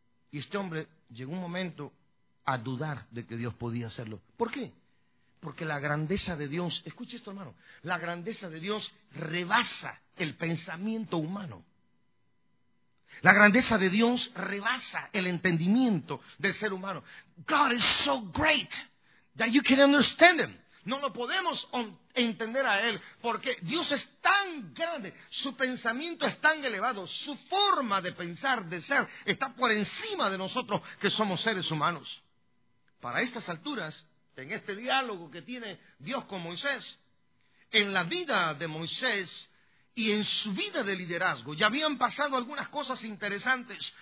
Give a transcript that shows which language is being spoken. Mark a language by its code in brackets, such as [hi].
[es] Y este hombre llegó un momento a dudar de que Dios podía hacerlo. ¿Por qué? Porque la grandeza de Dios, escuche esto hermano, la grandeza de Dios rebasa el pensamiento humano. La grandeza de Dios rebasa el entendimiento del ser humano. [en] God is so great that you can understand him. [es] No lo podemos entender a él porque Dios es tan grande, su pensamiento es tan elevado, su forma de pensar, de ser, está por encima de nosotros que somos seres humanos. Para estas alturas, en este diálogo que tiene Dios con Moisés, en la vida de Moisés y en su vida de liderazgo, ya habían pasado algunas cosas interesantes.